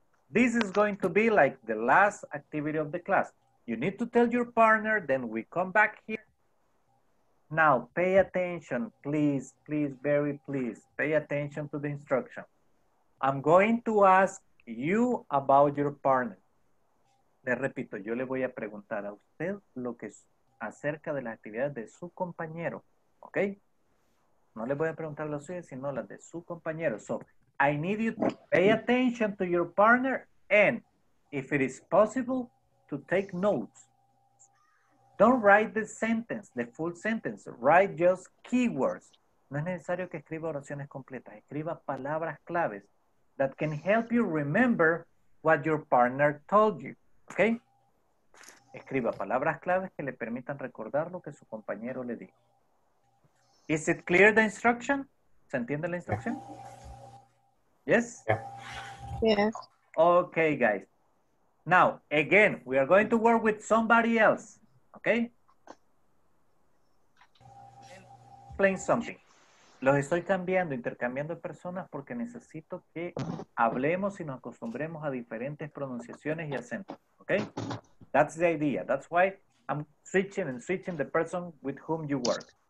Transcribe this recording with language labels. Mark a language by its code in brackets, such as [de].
[en] This is going to be like the last activity of the class. You need to tell your partner, then we come back here. Now, pay attention, please, please, very please, pay attention to the instruction. I'm going to ask you about your partner. [es] Le repito, yo le voy a preguntar a usted lo que es acerca de las actividades de su compañero, ¿ok? No le voy a preguntar las suyas, sino las de su compañero. [en] So, I need you to pay attention to your partner and if it is possible, to take notes. Don't write the sentence, the full sentence. Write just keywords. [es] No es necesario que escriba oraciones completas. Escriba palabras claves [en] that can help you remember what your partner told you. ¿Ok? [es] Escriba palabras claves que le permitan recordar lo que su compañero le dijo. [en] Is it clear the instruction? [es] ¿Se entiende la instrucción? [en] Yes? Yeah. Yes. Okay, guys. Now, again, we are going to work with somebody else. ¿Ok? Explain something. [es] Los estoy cambiando, intercambiando personas porque necesito que hablemos y nos acostumbremos a diferentes pronunciaciones y acentos. [en] Okay, that's the idea. That's why I'm switching and switching the person with whom you work.